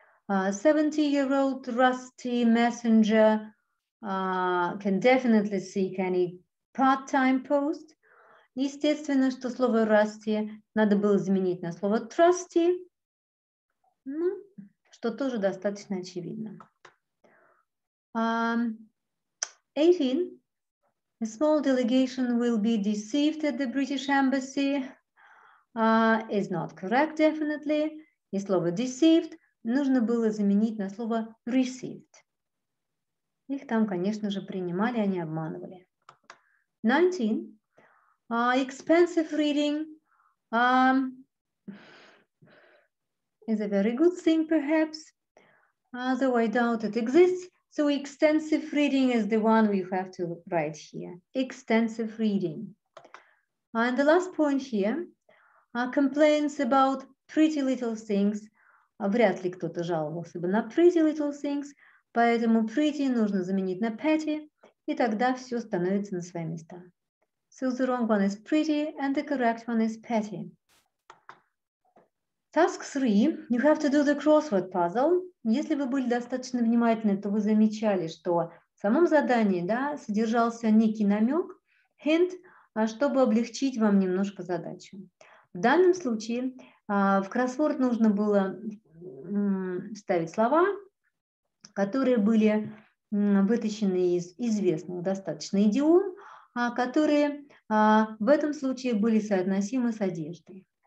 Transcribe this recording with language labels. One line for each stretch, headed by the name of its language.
English: 70-year-old rusty messenger can definitely seek any part-time post.
Russian: Естественно, что слово rusty надо было заменить на слово trusty, ну, что тоже достаточно очевидно. 18.
English: A small delegation will be deceived at the British embassy. Is not correct, definitely.
Russian: И слово deceived нужно было заменить на слово received. Их там, конечно же, принимали, они обманывали.
English: 19. Expensive reading is a very good thing, perhaps. Though I doubt it exists. So extensive reading is the one we have to write here. Extensive reading. And the last point here, complaints about pretty little things.
Russian: Вряд ли кто-то жаловался бы на
English: pretty little things,
Russian: поэтому pretty нужно заменить на petty, и тогда все становится на свои места.
English: So the wrong one is pretty, and the correct one is petty. Task 3. You have to do the crossword puzzle.
Russian: Если вы были достаточно внимательны, то вы замечали, что в самом задании, да, содержался некий намек, hint, чтобы облегчить вам немножко задачу. В данном случае в кроссворд нужно было ставить слова, которые были вытащены из известных достаточно идиом, которые в этом случае были соотносимы с одеждой.